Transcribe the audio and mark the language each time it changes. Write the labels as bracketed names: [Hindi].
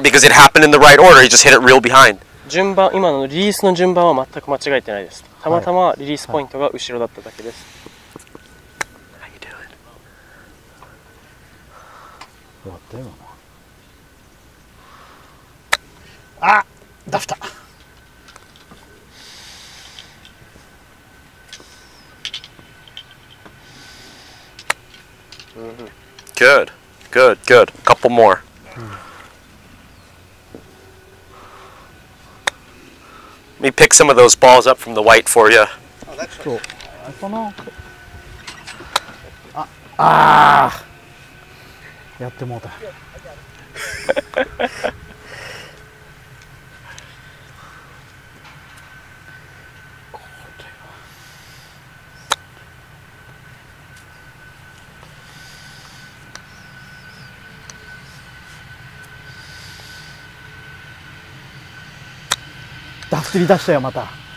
[English] Because it happened in the right order. He just hit it real behind. [Japanese] 順番、今のリリースの順番は全く間違えてないです。 [English] Yeah. [Japanese] たまたまリリースポイントが後ろだっただけです、はいはい、終わったよ。あ、ダフた。 [English] Good, good, good. Couple more. Let me pick some of those balls up from the white for you. Oh, that's cool. [Japanese] Ah, ダフり出したよまた。